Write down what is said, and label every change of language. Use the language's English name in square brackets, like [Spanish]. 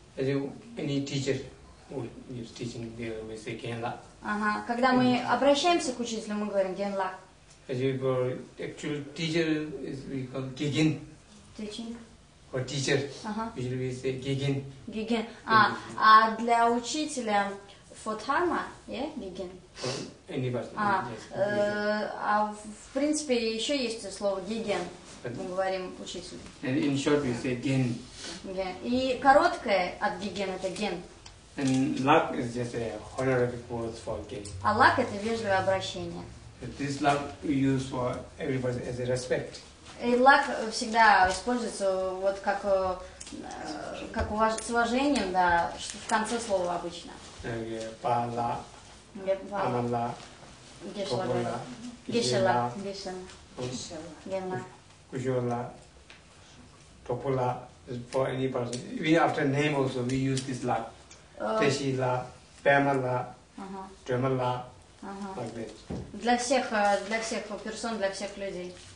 [English] As you, any teacher who is teaching, they always say гин лак. [Russian] Ага. Когда мы обращаемся к учителю, мы говорим гин лак. [English] As you for actual teacher is we call гигин. Teaching. For teacher, usually we say gigin. [Russian] Gigin. А для учителя фотхарма, [English] yeah, [Russian] gigin. [English] For any person. [Russian] В принципе еще есть слово гигин. Мы говорим учителю. [English] And in short, we say gin. Gin. [Russian] И короткое от гигин это gin. [English] And luck is just a honorific word for gin. [Russian] А luck это вежливое обращение. [English] But this luck we use for everybody as a respect. [Russian] И лак всегда используется вот как с уважением, да, что в конце слова обычно. [Tibetan] Пала. Амала. Гешела. Гешела. Гешела. [English] Кушела. Топула. For any person. We after name also we use this лак. [Tibetan] Тешила. Пемала. Тремала. [English] Like this. [Russian] Для всех персон, для всех людей.